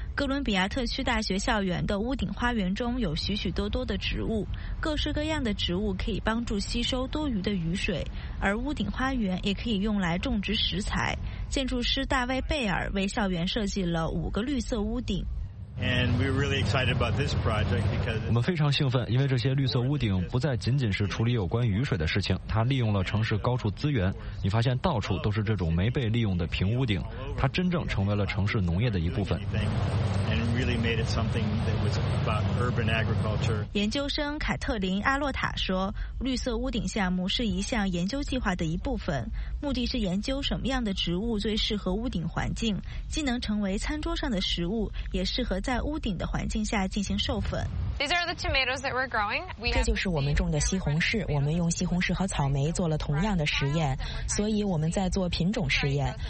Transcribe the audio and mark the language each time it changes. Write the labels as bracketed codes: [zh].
[zh] 哥伦比亚特区大学校园的屋顶花园中有许许多多的植物，各式各样的植物可以帮助吸收多余的雨水，而屋顶花园也可以用来种植食材。建筑师大卫贝尔为校园设计了五个绿色屋顶。 [en] And we're really excited about this project because [zh] 我们非常兴奋，因为这些绿色屋顶不再仅仅是处理有关雨水的事情，它利用了城市高处资源。你发现到处都是这种没被利用的平屋顶，它真正成为了城市农业的一部分。 [en] And really made it something that was about urban agriculture. [zh] 研究生凯特琳·阿洛塔说，绿色屋顶项目是一项研究计划的一部分，目的是研究什么样的植物最适合屋顶环境，既能成为餐桌上的食物，也适合在屋顶的环境下进行授粉。这就是我们种的西红柿，我们用西红柿和草莓做了同样的实验，所以我们在做品种实验。